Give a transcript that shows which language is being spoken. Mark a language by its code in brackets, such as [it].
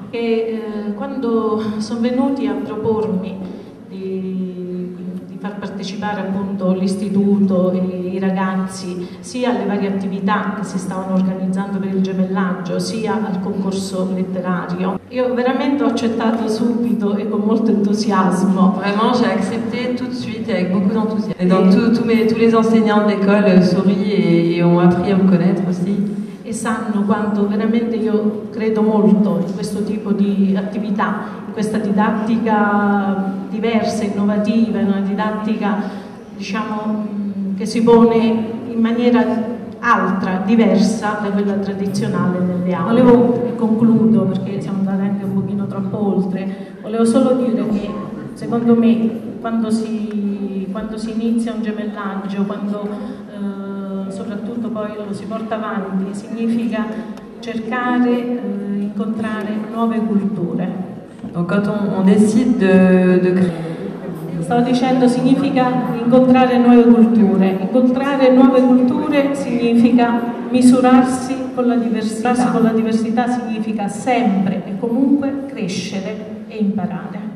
[it] E quando sono venuti a propormi di far partecipare appunto l'istituto e i ragazzi sia alle varie attività che si stavano organizzando per il gemellaggio sia al concorso letterario, io veramente ho accettato subito e con molto entusiasmo. [fr] Vraiment j'ai accepté tout de suite avec beaucoup d'enthousiasme. Et donc tous les enseignants d'école sourient et ont appris à me connaître aussi. [it] E sanno quanto veramente io credo molto in questo tipo di attività, in questa didattica diversa, innovativa, in una didattica, diciamo, che si pone in maniera altra, diversa da quella tradizionale delle aule. Volevo, e concludo perché siamo andati anche un pochino troppo oltre, volevo solo dire che secondo me quando si inizia un gemellaggio, quando soprattutto poi lo si porta avanti, significa cercare di incontrare nuove culture. [fr] Donc quand on décide de créer. [it] Stavo dicendo, significa incontrare nuove culture. Incontrare nuove culture significa misurarsi con la diversità. Misurarsi con la diversità significa sempre e comunque crescere e imparare.